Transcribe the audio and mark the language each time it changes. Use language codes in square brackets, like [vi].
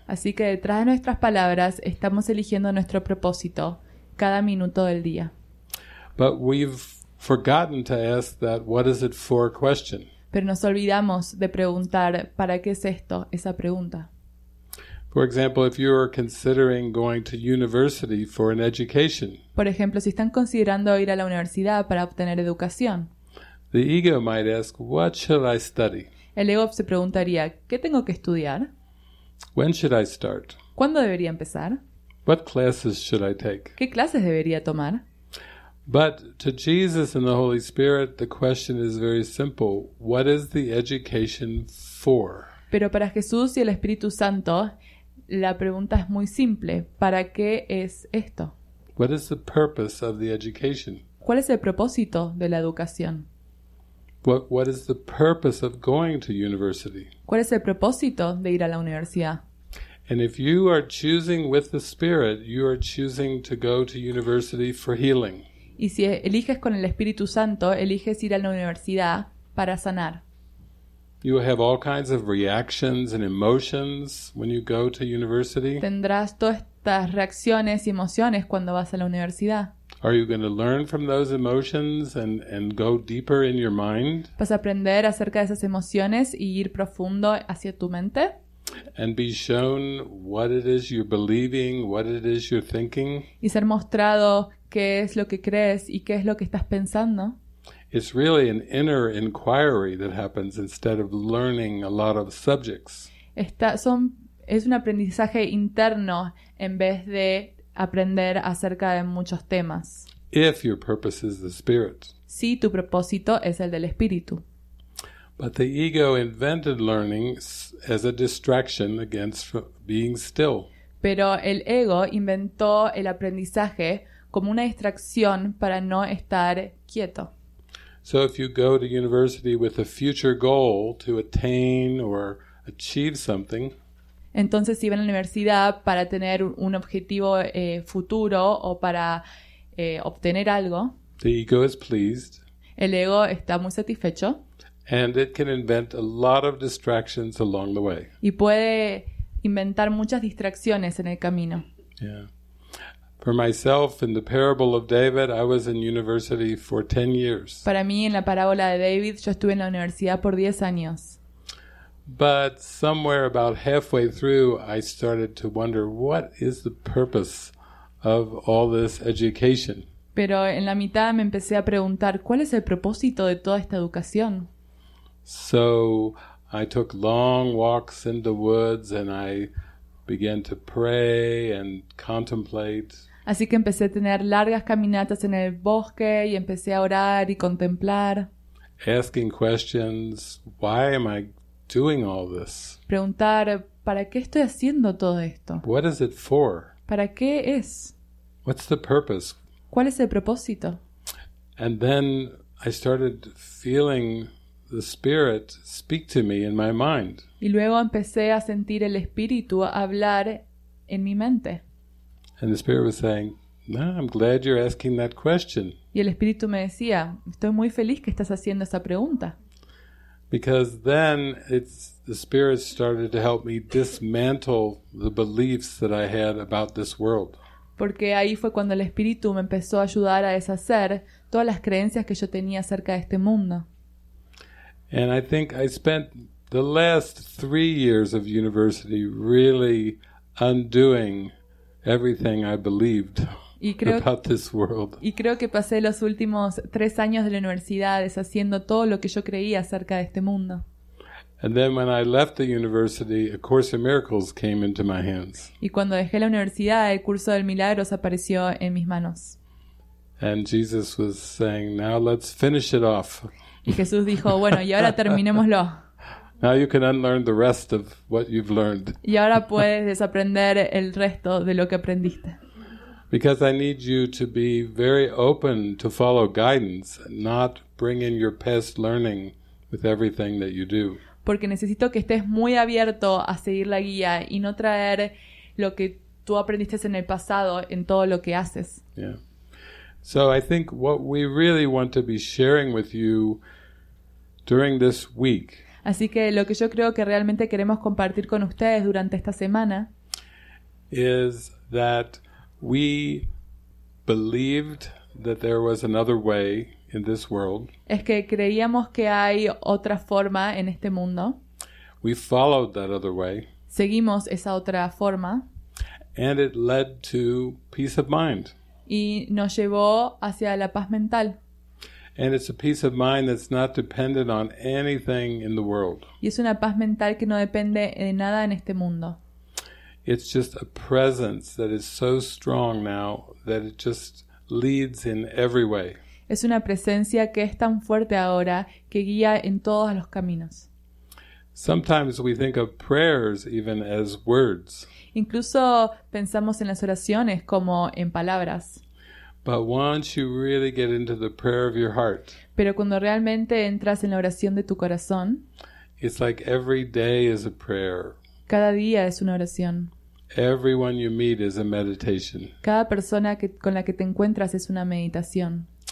[es] Así que detrás de nuestras palabras, estamos eligiendo nuestro propósito cada minuto del día. [en] But we've forgotten to ask that what is it for question. [es] Pero nos olvidamos de preguntar, ¿para qué es esto? Esa pregunta. [en] For example, if you are considering going to university for an education. [es] Por ejemplo, si están considerando ir a la universidad para obtener educación. [en] The ego might ask, what should I study? [es] El ego se preguntaría, ¿qué tengo que estudiar? [en] When should I start? [es] ¿Cuándo debería empezar? [en] What classes should I take? [es] ¿Qué clases debería tomar? [en] But to Jesus and the Holy Spirit, the question is very simple. What is the education for? [es] Pero para Jesús y el Espíritu Santo, la pregunta es muy simple. ¿Para qué es esto? [en] What is the purpose of the education? [es] ¿Cuál es el propósito de la educación? [en] What is the purpose of going to university? [es] ¿Cuál es el propósito de ir a la universidad? [en] And if you are choosing with the Spirit, you are choosing to go to university for healing. [es] Y si eliges con el Espíritu Santo, eliges ir a la universidad para sanar. [en] You will have all kinds of reactions and emotions when you go to university. [es] Tendrás todas estas reacciones y emociones cuando vas a la universidad. [en] Are you going to learn from those emotions and go deeper in your mind? [es] ¿Vas a aprender acerca de esas emociones y ir profundo hacia tu mente? [en] And be shown what it is you're believing, what it is you're thinking. [es] Y ser mostrado qué es lo que crees y qué es lo que estás pensando. [en] It's really an inner inquiry that happens instead of learning a lot of subjects. [es] Es un aprendizaje interno en vez de aprender acerca de muchos temas. [en] If your purpose is the spirit. [es] Si tu propósito es el del espíritu. [en] But the ego invented learning as a distraction against being still. [es] Pero el ego inventó el aprendizaje como una distracción para no estar quieto. [en] So if you go to university with a future goal to attain or achieve something. [es] Entonces si van a la universidad para tener un objetivo futuro o para obtener algo. [en] The ego is pleased. [es] El ego está muy satisfecho. [en] And it can invent a lot of distractions along the way. [es] Y puede inventar muchas distracciones en el camino. [en] Yeah. For myself, in the parable of David, I was in university for 10 years. [es] Para mí, en la parábola de David, yo estuve en la universidad por 10 años. [en] But somewhere about halfway through, I started to wonder, what is the purpose of all this education? [es] Pero en la mitad me empecé a preguntar, ¿cuál es el propósito de toda esta educación? [en] So, I took long walks in the woods and I began to pray and contemplate. [es] Así que empecé a tener largas caminatas en el bosque y empecé a orar y contemplar. [en] Asking questions, why am I doing all this? [es] Preguntar, ¿para qué estoy haciendo todo esto? [en] What is it for? [es] ¿Para qué es? [en] What's the purpose? [es] ¿Cuál es el propósito? [en] And then I started feeling the Spirit speak to me in my mind. [es] Y luego empecé a sentir el Espíritu hablar en mi mente. [en] And the Spirit was saying, "No, I'm glad you're asking that question." [es] Y el Espíritu me decía, "Estoy muy feliz que estás haciendo esa pregunta." [en] Because then the Spirit started to help me dismantle the beliefs that I had about this world. [es] Porque ahí fue cuando el Espíritu me empezó a ayudar a deshacer todas las creencias que yo tenía acerca de este mundo. [en] And I think I spent the last 3 years of university really undoing everything I believed about this world. [es] Y creo que pasé los últimos 3 años de la universidad deshaciendo todo lo que yo creía acerca de este mundo. [en] And then when I left the university, A Course in Miracles came into my hands. [es] Y cuando dejé la universidad, el curso de milagros apareció en mis manos. [en] And Jesus was saying, "Now let's finish it off." [es] Y Jesús dijo, bueno, y ahora terminémoslo. [en] Now you can unlearn the rest of what you've learned. [es] Y ahora puedes desaprender el resto de lo que aprendiste. [en] Because I need you to be very open to follow guidance, not bring in your past learning with everything that you do. [es] Porque necesito que estés muy abierto a seguir la guía y no traer lo que tú aprendiste en el pasado en todo lo que haces. [en] Yeah. So I think what we really want to be sharing with you during this week. [es] Así que lo que yo creo que realmente queremos compartir con ustedes durante esta semana [en] is that we believed that there was another way in this world. [es] Es que creíamos que hay otra forma en este mundo. [en] We followed that other way. [es] Seguimos esa otra forma. [en] And it led to peace of mind. [es] Y nos llevó hacia la paz mental. [en] And it's a peace of mind that's not dependent on anything in the world. [es] Y es una paz mental que no depende de nada en este mundo. [en] It's just a presence that is so strong now that it just leads in every way. [es] Es una presencia que es tan fuerte ahora que guía en todos los caminos. [en] Sometimes we think of prayers even as words. [es] Incluso pensamos en las oraciones como en palabras. [en] But once you really get into the prayer of your heart, [es] pero cuando realmente entras en la oración de tu corazón, [en] it's like every day is a prayer. [es] Cada día es una oración. [en] Everyone you meet is a meditation. [es] Cada persona con la que te encuentras es una meditación.